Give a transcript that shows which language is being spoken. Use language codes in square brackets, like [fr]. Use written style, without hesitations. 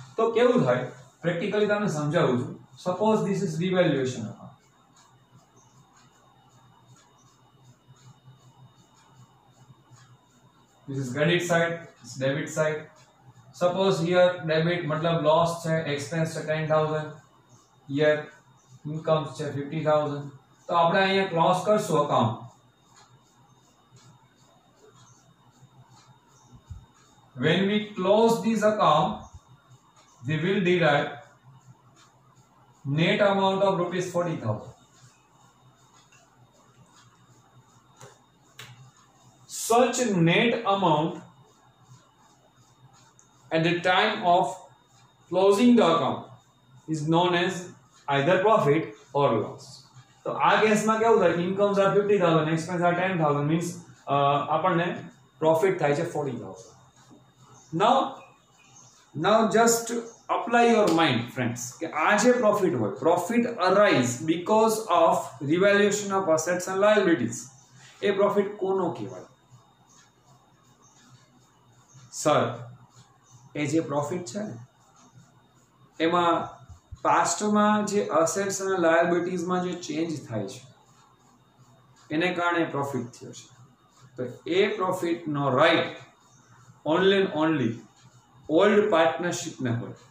[gu] તો કેવું થાય પ્રેક્ટિકલી તમને સમજાવું છું. [en] Suppose this is revaluation account, this is credit side, this debit side. [gu] Suppose here debit મતલબ લોસ છે, એક્સપેન્સ છે 10,000, હિયર ઇન્કમ છે 50,000. તો આપણે અહીંયા ક્લોઝ કરશું account, [en] when we close this account we will derive net amount of rupees 40,000. such net amount at the time of closing the account is known as either profit or loss. So our case ma [hi] kya hota hai, [en] incomes are 50,000, expenses are 10,000, means apne profit [gu] thai che [en] 40,000. Now just apply your mind friends, [gu] કે આ જે profit હોય, [en] profit arise because of revaluation of assets and liabilities, [gu] A profit કોનો કહેવાય? Sir, એ જે profit છે એમાં પાસ્ટમાં જે અસેટ્સ અને લાયબિલિટીઝમાં જે ચેન્જ થાય છે એને કારણે પ્રોફિટ થયો છે, તો એ પ્રોફિટનો right only and only old પાર્ટનરશિપને હોય.